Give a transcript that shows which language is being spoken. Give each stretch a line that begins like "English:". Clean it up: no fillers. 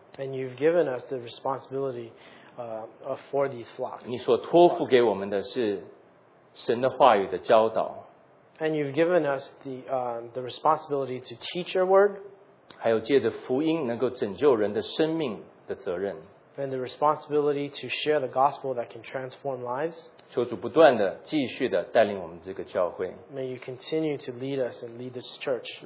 English: And you've given us the responsibility for these flocks.
Chinese: 你所托付给我们的是神的话语的教导。
English: And you've given us the responsibility to teach your word.
Chinese: 还有借着福音能够拯救人的生命的责任。
English: And the responsibility to share the gospel that can transform lives.
Chinese: 求主不断地继续地带领我们这个教会。
English: May you continue to lead us and lead this church.